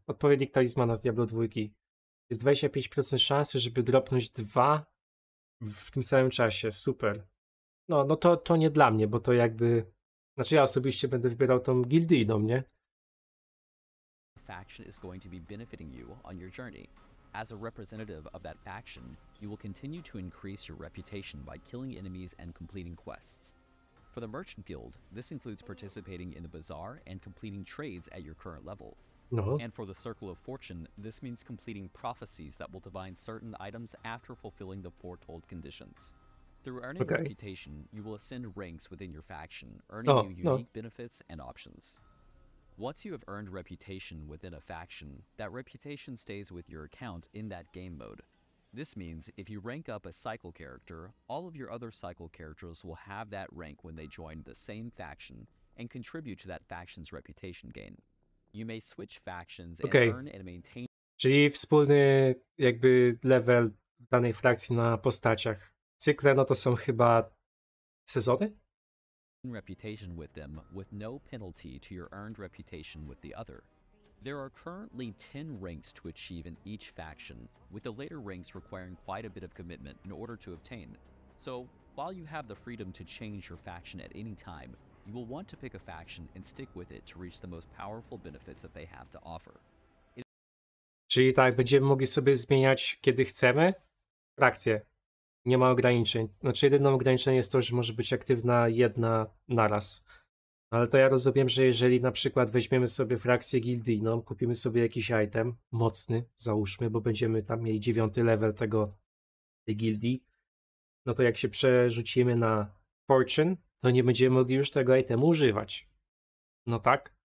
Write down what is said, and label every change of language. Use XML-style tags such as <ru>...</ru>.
<pl>Odpowiednik talizmana z Diablo 2. Jest 25% szansy, żeby dropnąć dwa w tym samym czasie. Super. No, to nie dla mnie, bo to jakby. Znaczy ja osobiście będę wybierał tą gildyjną, nie?</pl> <en>faction is going to be benefiting you on your journey. As a representative of that faction, you will continue to increase your reputation by killing enemies and completing quests. For the Merchant Guild, this includes participating in the bazaar and completing trades at your current level. No. And for the Circle of Fortune, this means completing prophecies that will divine certain items after fulfilling the foretold conditions. Through earning Okay. reputation, you will ascend ranks within your faction, earning you No, no. unique benefits and options. Once you have earned reputation within a faction, that reputation stays with your account in that game mode. This means if you rank up a cycle character, all of your other cycle characters will have that rank when they join the same faction and contribute to that faction's reputation gain. You may switch factions and Okej. earn and maintain.</en> <pl>Czyli wspólny jakby level danej frakcji na postaciach. Cykle, no to są chyba sezony?</pl> <en>Reputation with them with no penalty to your earned reputation with the other. There are currently 10 ranks to achieve in each faction, with the later ranks requiring quite a bit of commitment in order to obtain. So, while you have the freedom to change your faction at any time, you will want to pick a faction and stick with it to reach the most powerful benefits that they have to offer.</en> <pl>Czyli tak, będziemy mogli sobie zmieniać, kiedy chcemy, frakcję. Nie ma ograniczeń. Znaczy, jedyne ograniczenie jest to, że może być aktywna jedna naraz. Ale to ja rozumiem, że jeżeli na przykład weźmiemy sobie frakcję gildyjną, kupimy sobie jakiś item mocny, załóżmy, bo będziemy tam mieli 9. level tej gildii, no to jak się przerzucimy na Fortune, to nie będziemy mogli już tego itemu używać. No tak?</pl>